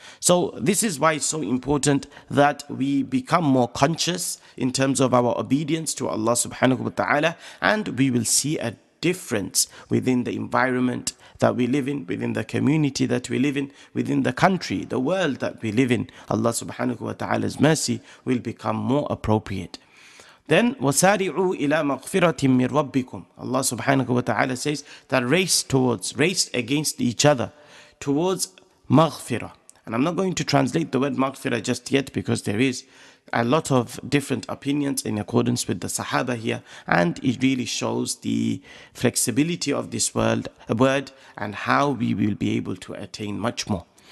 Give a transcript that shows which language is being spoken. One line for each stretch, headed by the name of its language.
English: So this is why it's so important that we become more conscious in terms of our obedience to Allah subhanahu wa ta'ala, and we will see a difference within the environment that we live in, within the community that we live in, within the country, the world that we live in. Allah subhanahu wa ta'ala's mercy will become more appropriate.
Arabic: Then وَسَارِعُوا إِلَىٰ مَغْفِرَةٍ مِّن رَبِّكُمْ.
English: Allah subhanahu wa ta'ala says that race against each other towards maghfirah. And I'm not going to translate the word maghfirah just yet, because there is a lot of different opinions in accordance with the Sahaba here, and it really shows the flexibility of this word and how we will be able to attain much more.